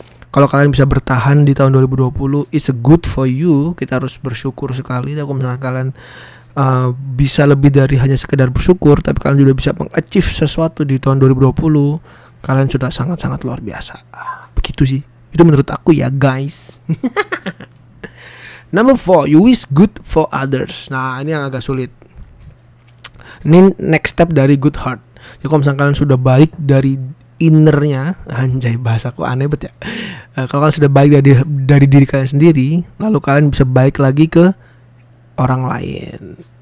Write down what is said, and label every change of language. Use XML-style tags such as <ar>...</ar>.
<id>Kalau kalian bisa bertahan di tahun 2020,</id> <en>it's a good for you.</en> <id>Kita harus bersyukur sekali. Kalau misalnya kalian bisa lebih dari hanya sekedar bersyukur, tapi kalian juga bisa meng-achieve sesuatu di tahun 2020, kalian sudah sangat-sangat luar biasa. Begitu sih. Itu menurut aku ya, guys.</id> <en>Number 4, you wish good for others.</en> <id>Nah, ini yang agak sulit. Ini next step dari good heart. Jadi kalau misalnya kalian sudah baik dari innernya, anjay bahasaku aneh banget ya. Kalau kalian sudah baik dari diri kalian sendiri, lalu kalian bisa baik lagi ke orang lain.</id>